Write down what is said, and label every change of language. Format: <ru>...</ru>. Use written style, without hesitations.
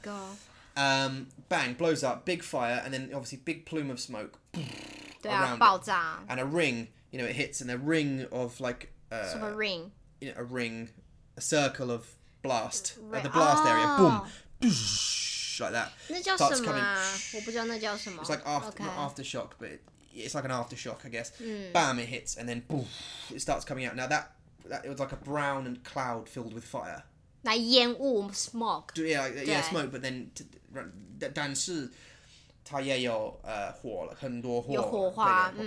<en>Oh my God. Bang, blows up, big fire, and then obviously big plume of smoke</en> <zh>对啊, around 爆炸.</zh> <en>It. And a ring, you know, it hits, and a ring of like... Sort of a ring. You know, a ring, a circle of blast, the blast area, boom, boosh, like that.</en> <zh>那叫什么啊?我不知道那叫什么.</zh> <en>It's like aftershock, but... it's like an aftershock, I guess. Mm. Bam, it hits, and then boom, it starts coming out. Now, that it was like a brown and cloud filled with fire. Like 烟雾, smoke. Yeah, smoke, but then...</en> <zh>但是它也有火, 很多火, 有火花,</zh>